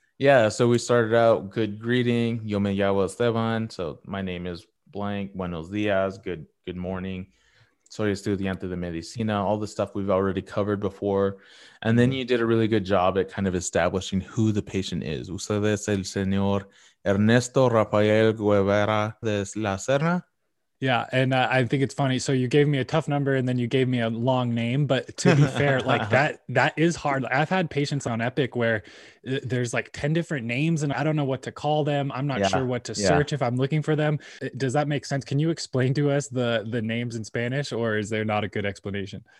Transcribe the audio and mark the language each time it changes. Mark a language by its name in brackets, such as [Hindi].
[English] Yeah. So we started out good greeting. [Spanish] Yo me llamo Esteban. [English] So my name is blank. [Spanish] Buenos días. [English] Good morning. [Spanish] Soy estudiante de medicina. [English] All the stuff we've already covered before. And then you did a really good job at kind of establishing who the patient is. [Spanish] Usted es el señor Ernesto Rafael Guevara de la Serna. [English] Yeah, and I think it's funny. So you gave me a tough number and then you gave me a long name. But to be fair, like that is hard. I've had patients on Epic where there's like 10 different names and I don't know what to call them. I'm not sure what to search if I'm looking for them. Does that make sense? Can you explain to us the names in Spanish or is there not a good explanation?